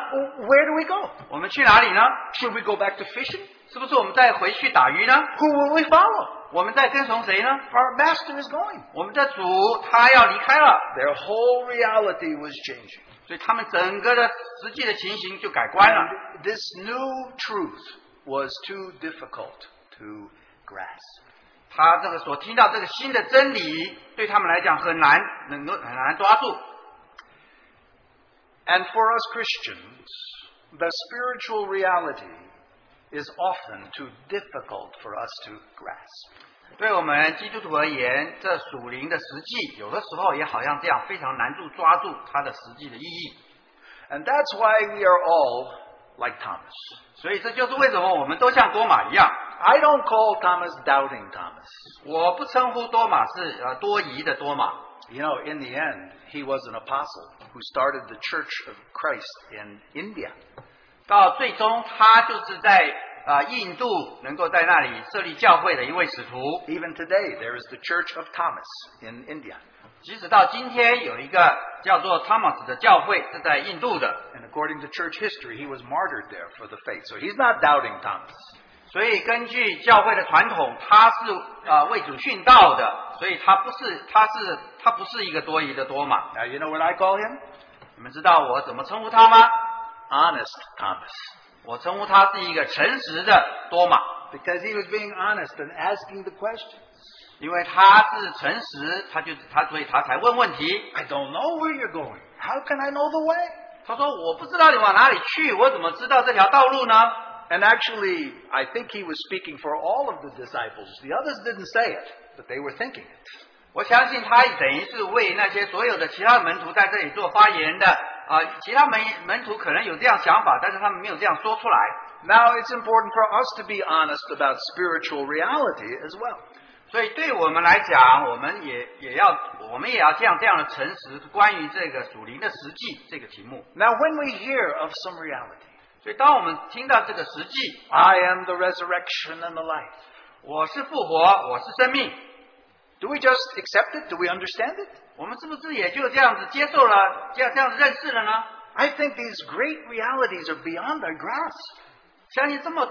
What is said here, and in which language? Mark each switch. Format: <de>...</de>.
<en>Well, where do we go?</en> <zh>我们去哪里呢?</zh> <en>Should we go back to fishing?</en> <zh>是不是我们再回去打鱼呢?</zh> <en>Who will we follow?</en> <zh>我们在跟从谁呢?</zh> <en>Our master is going.</en> <zh>我们的主他要离开了。</zh> <en>Their whole reality was changing.</en> <zh>所以他们整个的实际的情形就改观了。</zh> <en>And this new truth was too difficult to grasp.</en> <zh>他这个所听到这个新的真理, 对他们来讲很难抓住。</zh> <en>And for us Christians, the spiritual reality is often too difficult for us to grasp.</en> <zh>对我们基督徒而言, 这属灵的实际有的时候也好像这样非常难住抓住它的实际的意义。</zh> <en>And that's why we are all like Thomas.</en> <zh>所以这就是为什么我们都像多马一样。</zh> <en>I don't call Thomas doubting Thomas.</en> <zh>我不称呼多马是多疑的多马。</zh> <en>You know, in the end, he was an apostle who started the Church of Christ in India.</en> <zh>到最终他就是在 印度能够在那里设立教会的一位使徒。</zh> <en>Even today, there is the Church of Thomas in India.</en> <zh>即使到今天有一个叫做Thomas的教会是在印度的。</zh> <en>And according to church history, he was martyred there for the faith. So he's not doubting Thomas.</en> <zh>所以根据教会的传统,他是为主殉道的,所以他不是一个多疑的多马。</zh> <en>Now you know what I call him?</en> <zh>你们知道我怎么称呼他吗?</zh> <en>Honest Thomas.</en> <zh>我称呼他是一个诚实的多马,</zh> <en>because he was being honest and asking the questions.</en> <zh>因为他是诚实,所以他才问问题。</zh> <en>I don't know where you're going. How can I know the way?</en> <zh>他说,我不知道你往哪里去,我怎么知道这条道路呢?</zh> <en>And actually, I think he was speaking for all of the disciples. The others didn't say it, but they were thinking it.</en> <zh>我相信他等于是为那些所有的其他门徒在这里做发言的。其他门徒可能有这样想法，但是他们没有这样说出来。</zh> <en>Now, it's important for us to be honest about spiritual reality as well.</en> <zh>所以对我们来讲，我们也要这样的诚实，关于这个属灵的实际这个题目。</zh> <en>Now, when we hear of some reality,</en> <zh>所以当我们听到这个实际,</zh> <en>I am the resurrection and the life.</en> <zh>我是复活，我是生命。</zh> <en>Do we just accept it? Do we understand it?</en> <zh>我们是不是也就这样子接受了，这样认识了呢？</zh> <en>I think these great realities are beyond our grasp.</en>